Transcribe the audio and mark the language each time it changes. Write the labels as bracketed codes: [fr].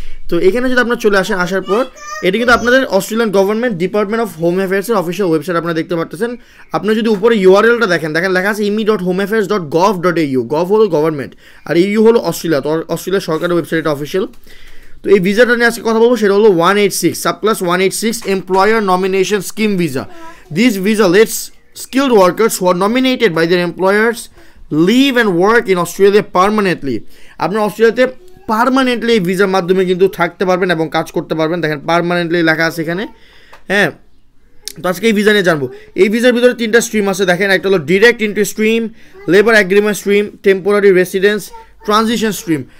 [bn] তো এখানে যদি আপনার চলে আসেন, আসার পর এটা কিন্তু আপনাদের Australian government department of home অ্যাফেয়ার্সের official website আপনারা দেখতে পাচ্ছেন। আপনারা যদি উপরে ইউআরএলটা দেখেন, দেখেন লেখা আছে imi.homeaffairs.gov.au, গভ হলো গভর্নমেন্ট আর ইউ হলো অস্ট্রেলিয়া, তো অস্ট্রেলিয়া সরকারের ওয়েবসাইট অফিসিয়াল। তো এই ভিসাটা নিয়ে আজকে কথা বলবো, সেটা হলো 186 subclass 186 employer nomination scheme visa. [en] This visa lets skilled workers who are nominated by their employers live and work in Australia permanently. [bn] আপনি অস্ট্রেলিয়াতে পার্মানেন্টলি এই ভিসার মাধ্যমে কিন্তু থাকতে পারবেন এবং কাজ করতে পারবেন, দেখেন পার্মানেন্টলি লেখা আছে এখানে, হ্যাঁ। তো আজকে এই ভিসা নিয়ে জানবো। এই ভিসার ভিতরে তিনটা স্ট্রিম আছে দেখেন, একটা হলো direct entry stream, labour agreement stream, temporary residence, transition stream.